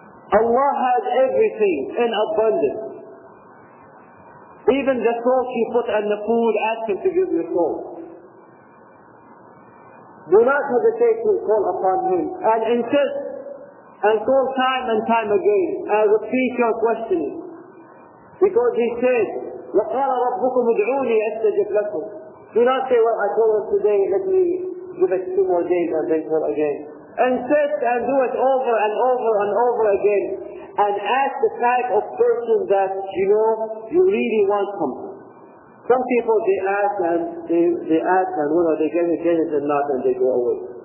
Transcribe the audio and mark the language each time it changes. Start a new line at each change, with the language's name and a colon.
English: Allah has everything in abundance. Even the salt you put on the food, ask Him to give you salt. Do not hesitate to call upon Him. And insist and call time and time again. And repeat your questioning. Because He said,
Arabic: وَقَالَ رَبُّكُمْ ادْعُونِي أَسْتَجِبْ لَكُمْ.
English: Do not say, well, I told him today, let me give it 2 more days and then call again. Insist and do it over and over and over again. And ask the type of person that you know you really want something. Some people, they ask and they ask and whether they get it or not and they go away.